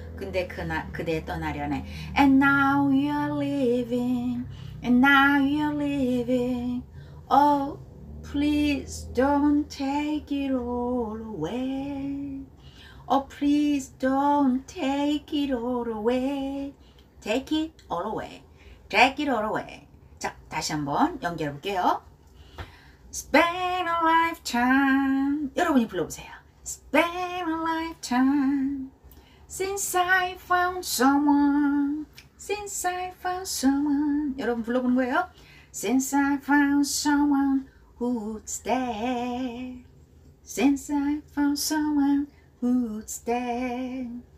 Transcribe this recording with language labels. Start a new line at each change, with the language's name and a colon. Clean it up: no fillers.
Korean: 근데 그대 떠나려네.
English: And now you're leaving. And now you're leaving. Oh, please don't take it all away. Oh, please don't take it all away. Take it all away. Take it all away.
Korean: 자, 다시 한번 연결해 볼게요.
English: It's been a lifetime.
Korean: 여러분이 불러보세요.
English: It's been a lifetime. Since I found someone. Since I found someone.
Korean: 여러분 불러보는 거예요.
English: Since I found someone who would stay. Since I found someone who would stay.